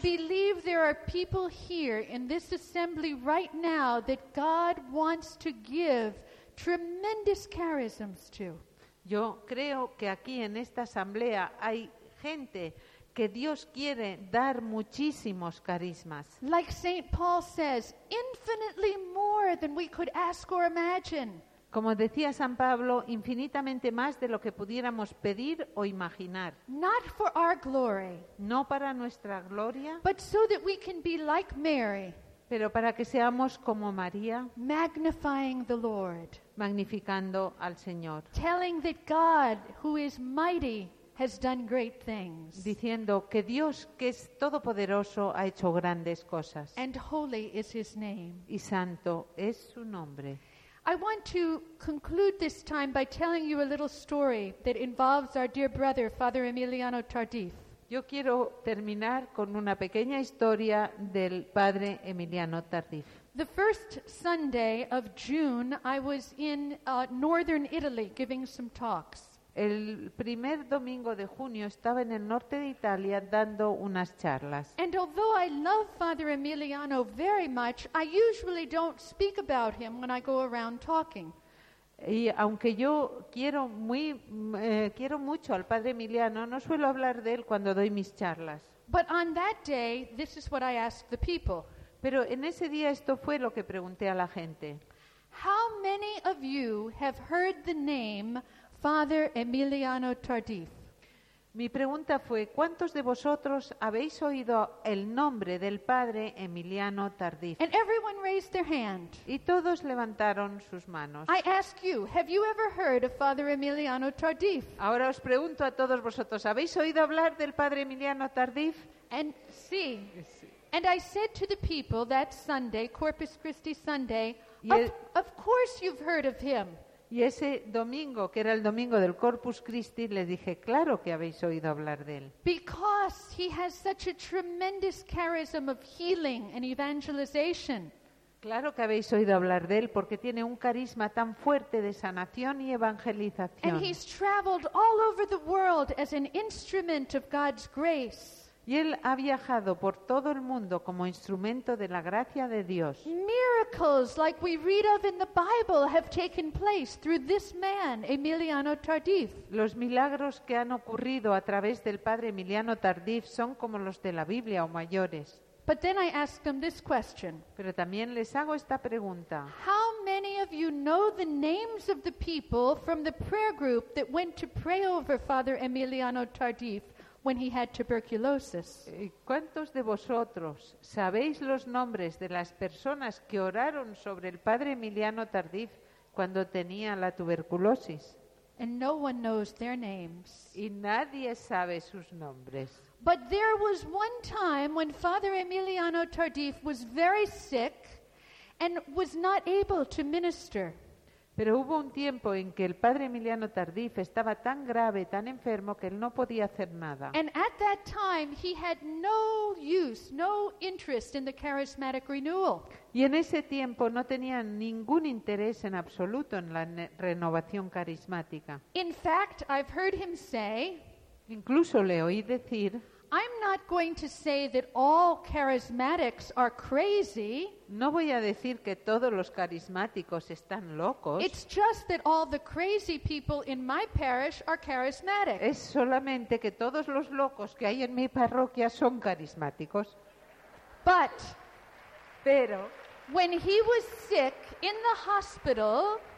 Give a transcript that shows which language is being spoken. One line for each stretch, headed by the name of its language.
English: I believe there are people here in this assembly right now that God wants to give tremendous charisms to.
Spanish: Yo creo que aquí en esta asamblea hay gente que Dios quiere dar muchísimos carismas.
English: Like Saint Paul says, infinitely more than we could ask or imagine.
Spanish: Como decía San Pablo, infinitamente más de lo que pudiéramos pedir o imaginar.
English: Not for our glory.
Spanish: No para nuestra gloria.
English: But so that we can be like Mary.
Spanish: Pero para que seamos como María.
English: Magnifying the Lord.
Spanish: Magnificando al Señor.
English: Telling that God, who is mighty, has done great things.
Spanish: Diciendo que Dios, que es todopoderoso, ha hecho grandes cosas.
English: And holy is his name.
Spanish: Y santo es su nombre.
English: I want to conclude this time by telling you a little story that involves our dear brother, Father Emiliano Tardif.
Spanish: Yo quiero terminar con una pequeña historia del padre Emiliano Tardif.
English: The first Sunday of June, I was in northern Italy giving some talks.
Spanish: El primer domingo de junio estaba en el norte de Italia dando unas charlas.
English: And although I love Father Emiliano very much, I usually don't speak about him when I go around talking.
Spanish: Y aunque yo quiero mucho al padre Emiliano, no suelo hablar de él cuando doy mis charlas.
English: But on that day, this is what I asked the people.
Spanish: Pero en ese día esto fue lo que pregunté a la gente.
English: How many of you have heard the name Father Emiliano Tardif?
Spanish: Mi pregunta fue, ¿cuántos de vosotros habéis oído el nombre del padre Emiliano Tardif?
English: And everyone raised their hand.
Spanish: Y todos levantaron sus manos.
English: I ask you, have you ever heard of Father Emiliano Tardif?
Spanish: Ahora os pregunto a todos vosotros, ¿habéis oído hablar del padre Emiliano Tardif?
English: And see.
Spanish: Sí.
English: And I said to the people that Sunday, Corpus Christi Sunday, of course you've heard of him.
Spanish: Y ese domingo, que era el domingo del Corpus Christi, le dije, claro que habéis oído hablar de él.
English: Because he has such a tremendous charism of healing and evangelization.
Spanish: Claro que habéis oído hablar de él, porque tiene un carisma tan fuerte de sanación y evangelización.
English: And he's traveled all over the world as an instrument of God's grace.
Spanish: Y él ha viajado por todo el mundo como instrumento de la gracia de Dios.
English: Miracles like we read of in the Bible have taken place through this man, Emiliano Tardif.
Spanish: Los milagros que han ocurrido a través del padre Emiliano Tardif son como los de la Biblia o mayores.
English: But then I ask them this question.
Spanish: Pero también les hago esta pregunta.
English: How many of you know the names of the people from the prayer group that went to pray over Father Emiliano Tardif when he had tuberculosis?
Spanish: ¿Cuántos de vosotros sabéis los nombres de las personas que oraron sobre el padre Emiliano Tardif cuando tenía la tuberculosis?
English: And no one knows their names.
Spanish: Y nadie sabe sus nombres.
English: But there was one time when Father Emiliano Tardif was very sick and was not able to minister.
Spanish: Pero hubo un tiempo en que el padre Emiliano Tardif estaba tan grave, tan enfermo, que él no podía hacer nada.
English: And at that time he had no use, no interest in the charismatic renewal.
Spanish: Y en ese tiempo no tenía ningún interés en absoluto en la renovación carismática.
English: In fact, I've heard him say,
Spanish: incluso le oí decir,
English: I'm not going to say that all charismatics are crazy.
Spanish: No voy a decir que todos los carismáticos están locos.
English: It's just that all the crazy people in my parish are charismatic.
Spanish: Es solamente que todos los locos que hay en mi parroquia son carismáticos. Pero
English: when he was sick in the hospital,